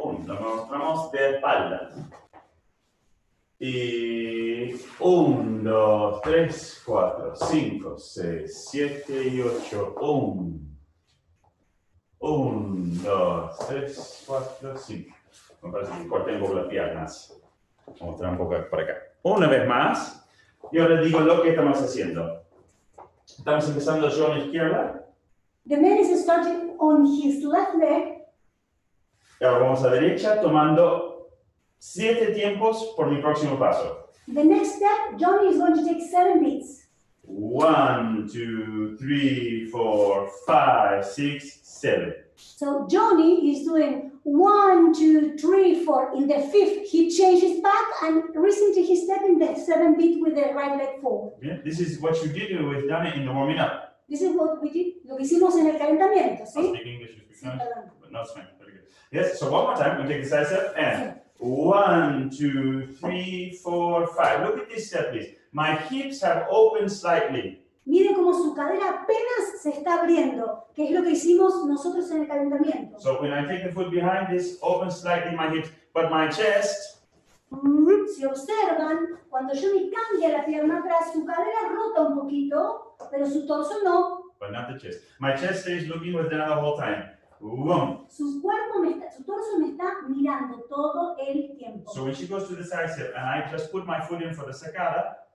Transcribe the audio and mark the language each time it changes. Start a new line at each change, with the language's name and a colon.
Spanish: Un, nos mostramos de espaldas. Y un, dos, tres, cuatro, cinco, seis, siete y ocho. Un. Un, dos, tres, cuatro, cinco. Me parece que corté un poco las piernas. Voy a mostrar un poco por acá. Una vez más. Y ahora les digo lo que estamos haciendo. Estamos empezando yo en la izquierda.
English: The man is starting on his left leg.
Spanish: Y ahora vamos a la derecha tomando 7 tiempos por mi próximo paso.
English: The next step, Johnny is going to take 7 beats. 1, 2, 3, 4, 5, 6, 7. So Johnny is doing 1, 2, 3, 4. In the fifth, he changes back and recently he stepped in the 7th beat with the right leg forward. Yeah, this is what you did with Danny in the warming up. This is what we did,
Spanish: lo que hicimos en el calentamiento, ¿sí?
English: I speak English, but not Spanish. Very good. Yes, so one more time, we take the side step and 1, 2, 3, 4, 5. Look at this step, please. My hips have opened slightly.
Spanish: Miren cómo su cadera apenas se está abriendo, que es lo que hicimos nosotros en el calentamiento.
English: So when I take the foot behind, this opens slightly my hips, but my chest.
Spanish: Si observan, cuando Johnny cambia la pierna atrás, su cadera rota un poquito, pero su torso no.
English: But not the chest. My chest stays looking with Dana the whole time.
Spanish: Su cuerpo me está, su torso me está mirando todo el tiempo.
English: So when she goes to the side step and I just put my foot in for the sacada.